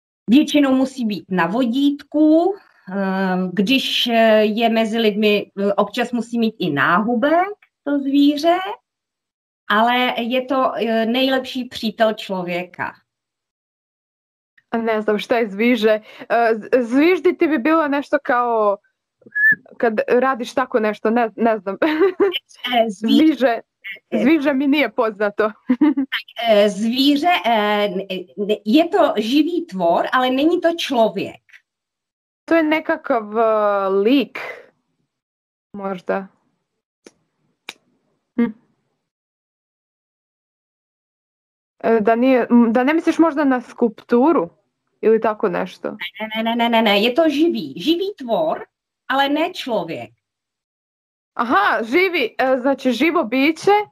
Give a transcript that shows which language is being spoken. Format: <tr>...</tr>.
<cs>Většinou musí být na vodítku, když je mezi lidmi, občas musí mít i náhubek to zvíře, ale je to nejlepší přítel člověka.</cs> <sr>Ne znam šta je zviže. Zviždi ti bi bilo nešto kao kad radiš tako nešto, ne znam. Zviže. Zvíře mi nije poznato.</sr> <cs>Zvíře je to živý tvor, ale není to člověk.</cs> <sr>To je nekakav lik, možda. Da ne misliš možda na skulpturu ili tako nešto? Ne.</sr> <cs>Je to živý tvor, ale ne člověk.</cs> <sr>Aha, živi, znači živo biće.</sr>